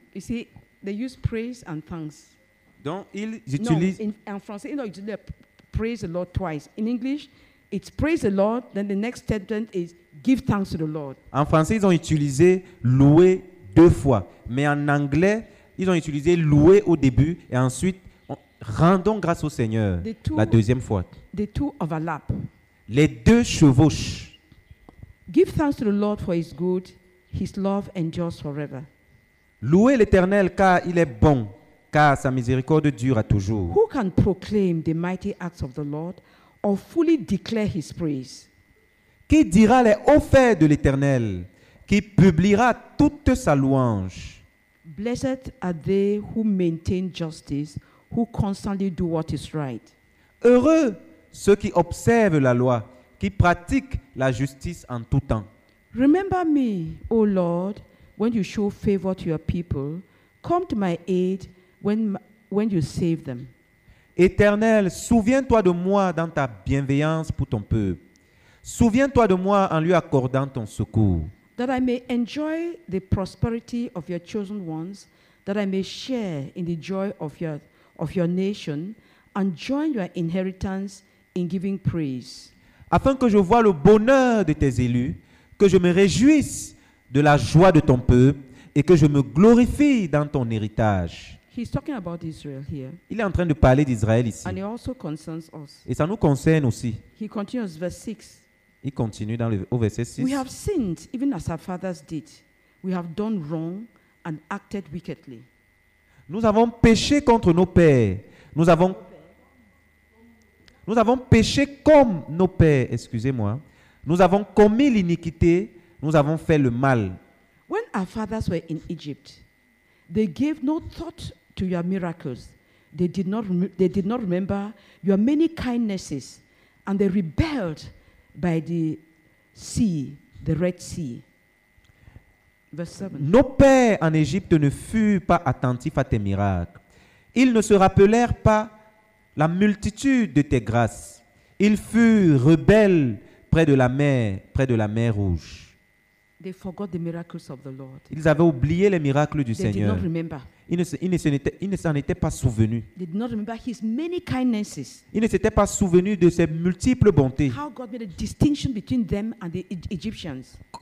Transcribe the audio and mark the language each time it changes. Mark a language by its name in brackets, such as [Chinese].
[English] You see, they use praise and thanks. [French] Donc, ils utilisent. [English] No, in [French] français, ils utilisent [English] praise the Lord twice. In English, it's praise the Lord, then the next statement is give thanks to the Lord. [French] En français, ils ont utilisé louer deux fois. Mais en anglais, ils ont utilisé louer au début et ensuite rendons grâce au Seigneur la deuxième fois. [English] The two overlap. [French] Les deux chevauchent. [English] Give thanks to the Lord for his good, his love endures forever. [French] Louez l'Éternel car il est bon, car sa miséricorde dure à toujours. [English] Who can proclaim the mighty acts of the Lord? Or fully declare his praise. [French] Qui dira les hauts faits de l'Éternel? Qui publiera toute sa louange? [English] Blessed are they who maintain justice, who constantly do what is right. [French] Heureux ceux qui observent la loi, qui pratiquent la justice en tout temps. [English] Remember me, O Lord, when you show favor to your people. Come to my aid when you save them. [French] Éternel, souviens-toi de moi dans ta bienveillance pour ton peuple. Souviens-toi de moi en lui accordant ton secours. [English] That I may enjoy the prosperity of your chosen ones, that I may share in the joy of your nation, and join your inheritance in giving praise. [French] Afin que je voie le bonheur de tes élus, que je me réjouisse de la joie de ton peuple, et que je me glorifie dans ton héritage. [English] He's talking about Israel here. [French] Il est en train de parler d'Israël ici. [English] And he also concerns us. [French] Et ça nous concerne aussi. [English] He continues verse 6. [French] Il continue au verset 6. [English] We have sinned even as our fathers did. We have done wrong and acted wickedly. [French] Nous avons péché contre nos pères. Nous avons péché comme nos pères, excusez-moi. Nous avons commis l'iniquité, nous avons fait le mal. [English] When our fathers were in Egypt, they gave no thought to your miracles. They did not remember your many kindnesses, and they rebelled by the sea, the Red Sea. Verse 7. [French] Nos pères en Égypte ne furent pas attentifs à tes miracles. ils ne se rappelèrent pas la multitude de tes grâces. Ils furent rebelles près de la mer rouge. [English] They forgot the miracles of the Lord. [French] Ils avaient oublié les miracles du [English] They [French] Seigneur. [English] Did not remember. [French] Ils ne s'en étaient pas souvenus. [English] They did not remember his many kindnesses. [French] Ils ne s'étaient pas souvenus de ses multiples bontés. [English] How God made a distinction between them and the Egyptians.